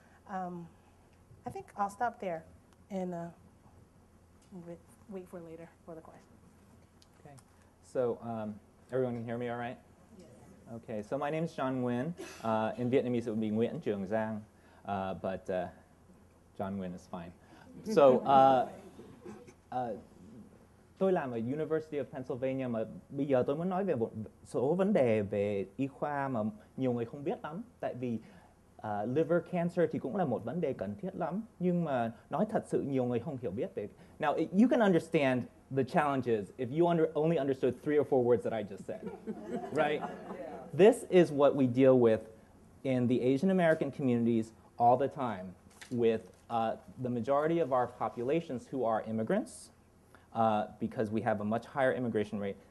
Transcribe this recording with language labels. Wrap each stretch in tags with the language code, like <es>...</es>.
<en>I think I'll stop there and wait for later for the questions. Okay, so everyone can hear me all right? Okay, so my name is John Nguyen. In Vietnamese, it would be Nguyen Trường Giang, but John Nguyen is fine.</en> <vi>So, tôi làm ở University of Pennsylvania, mà bây giờ tôi muốn nói về một số vấn đề về y khoa mà nhiều người không biết lắm. Tại vì liver cancer thì cũng là một vấn đề cần thiết lắm, nhưng mà nói thật sự nhiều người không hiểu biết về.</vi> <en>Now, you can understand the challenges if you only understood 3 or 4 words that I just said, right? This is what we deal with in the Asian American communities all the time with the majority of our populations who are immigrants because we have a much higher immigration rate.</en>